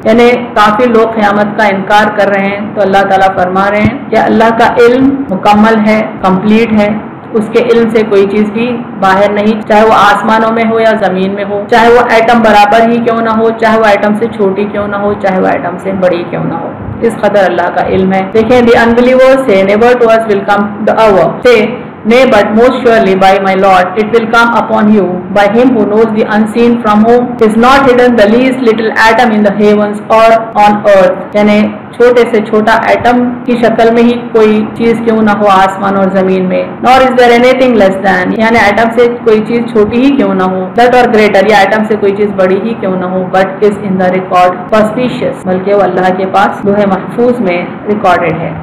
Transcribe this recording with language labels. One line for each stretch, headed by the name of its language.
Hindi: यानी काफी लोग क़यामत का इनकार कर रहे हैं तो अल्लाह ताला फरमा रहे हैं कि अल्लाह का इल्म मुकम्मल है, कम्प्लीट है, उसके इल्म से कोई चीज भी बाहर नहीं, चाहे वो आसमानों में हो या जमीन में हो, चाहे वो एटम बराबर ही क्यों ना हो, चाहे वो एटम से छोटी क्यों ना हो, चाहे वो एटम से बड़ी क्यों ना हो, इस कदर अल्लाह का इल्म है।
English: देखें, the unbelievers say never to us will come the hour, say nay but most surely by my Lord it will come upon you by him who knows the unseen from whom is not hidden the least little atom in the heavens or on earth।
Hindi: यानी छोटे से छोटा atom की शक्ल में ही कोई चीज क्यों ना हो आसमान और जमीन में,
English: nor is there anything less than,
Hindi: यानी एटम से कोई चीज छोटी ही क्यों ना हो,
English: that or greater,
Hindi: या एटम से कोई चीज बड़ी ही क्यों ना हो,
English: but is in the record perspicuous,
Hindi: बल्कि वो अल्लाह के पास लोहे महफूज में रिकॉर्डेड है।